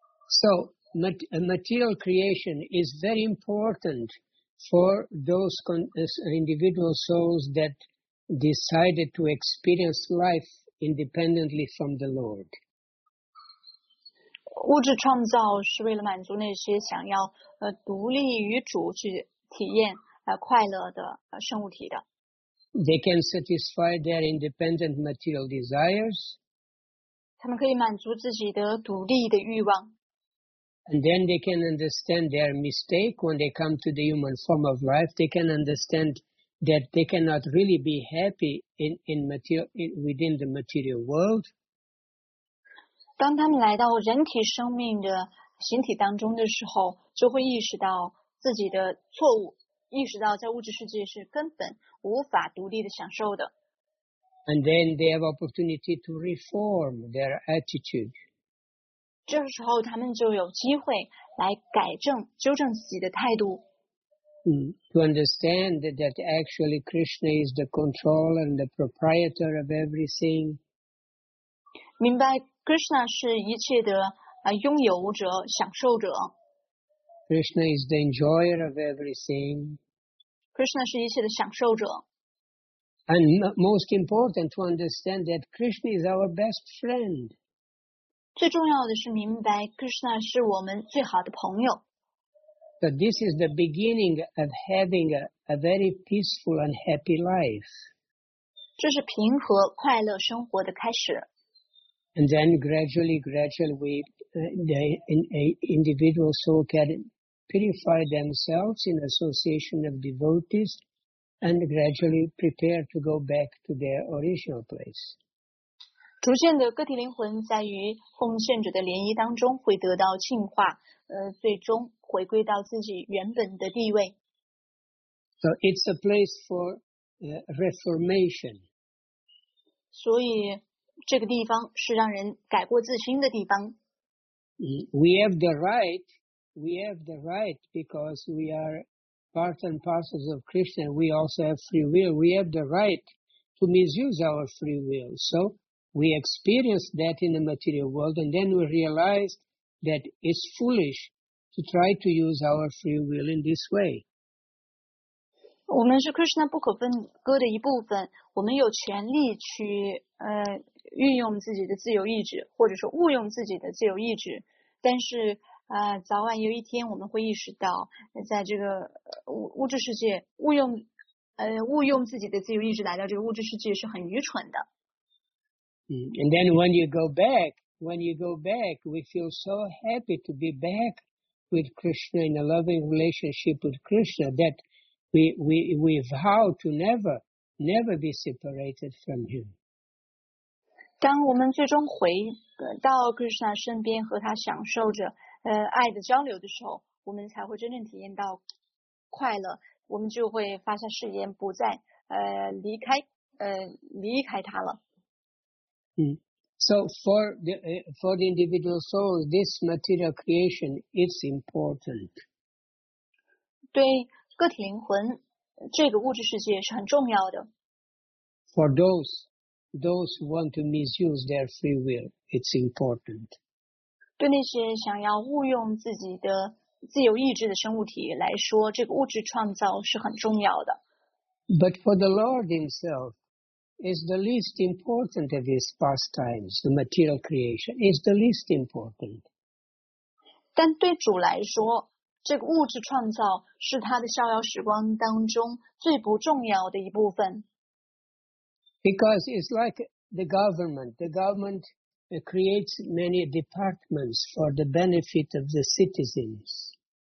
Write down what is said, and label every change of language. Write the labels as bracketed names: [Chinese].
[English] So material creation is very important for those individual souls that decided to experience life independently from the Lord. [Chinese] 物质创造是为了满足那些想要独立于主去体验快乐的生物体的。 [English] They can satisfy their independent material desires. [Chinese] 他们可以满足自己的独立的欲望。 [English] And then they can understand their mistake when they come to the human form of life. They can understand that they cannot really be happy within the material world. [Chinese] 当他们来到人体生命的形体当中的时候，就会意识到自己的错误，意识到在物质世界是根本无法独立的享受的。 [English] And then they have opportunity to reform their attitude. [Chinese] 这时候他们就有机会来改正、纠正自己的态度。 [English] To understand that actually Krishna is the controller and the proprietor of everything. [Chinese] 明白 Krishna 是一切的拥有者、享受者。 [English] Krishna is the enjoyer of everything. [Chinese] Krishna 是一切的享受者。 [English] And most important to understand that Krishna is our best friend. [Chinese] 最重要的是明白 Krishna 是我们最好的朋友。 [English] So this is the beginning of having a very peaceful and happy life. [Chinese] 这是平和快乐生活的开始。 [English] And then gradually the individual soul can purify themselves in association of devotees. And gradually prepare to go back to their original place. [Chinese] 逐渐的，个体灵魂在与奉献者的联谊当中会得到净化，最终回归到自己原本的地位。 [English] So it's a place for reformation. [Chinese] 所以这个地方是让人改过自新的地方。 [English] We have the right because we are. Parts and parcels of Krishna, we also have free will. We have the right to misuse our free will. So we experience that in the material world, and then we realize that it's foolish to try to use our free will in this way. [Chinese] 我们是 Krishna 不可分割的一部分，我们有权利去运用自己的自由意志，或者说误用自己的自由意志，但是。早晚有一天我们会意识到在这个物质世界误用自己的自由意志来到这个物质世界是很愚蠢的。 [English] And then when you go back, we feel so happy to be back with Krishna in a loving relationship with Krishna that we vow to never be separated from him. [Chinese] 当我们最终回到 Krishna 身边和他享受着爱的交流的时候，我们才会真正体验到快乐。我们就会发下誓言，不再离开他了。 [English] So for the individual soul, this material creation is important. [Chinese] 对个体灵魂，这个物质世界是很重要的。 [English] For those who want to misuse their free will, it's important. [Chinese] 对那些想要误用自己的自由意志的生物体来说，这个物质创造是很重要的。 [English] But for the Lord Himself, is the least important of His pastimes. The material creation is the least important. [Chinese] 但对主来说，这个物质创造是他的逍遥时光当中最不重要的一部分。 [English] Because it's like the government. The government. It creates many departments for the benefit of the citizens.